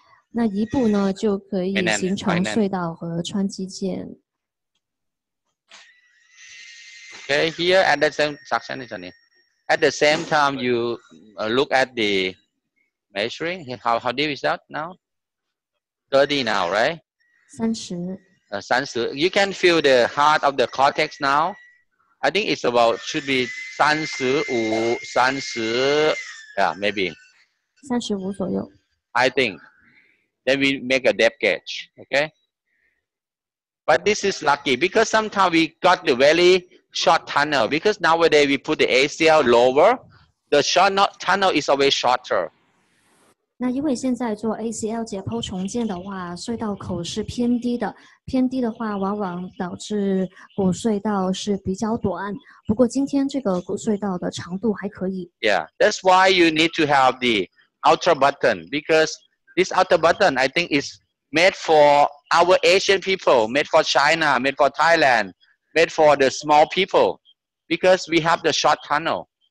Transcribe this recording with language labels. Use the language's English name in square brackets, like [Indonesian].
[Chinese] 那一步呢，就可以形成隧道和穿肌腱。 [English] Okay, here at the same suction is on it. At the same time, you look at the measuring. How deep is that now? 30 now, right? 30. You can feel the heart of the cortex now. I think it's about, should be 35, yeah, maybe. [Chinese] 35左右. [English] I think. Then we make a depth gauge, okay? But this is lucky because sometimes we got the very short tunnel because nowadays we put the ACL lower, the short tunnel is always shorter. [Chinese] 那因为现在做 ACL 解剖重建的话，隧道口是偏低的，偏低的话往往导致骨隧道是比较短。不过今天这个骨隧道的长度还可以。Yeah, [English] that's why you need to have the outer button because this outer button, I think, is made for our Asian people, made for China, made for Thailand, made for the small people, because we have the short tunnel.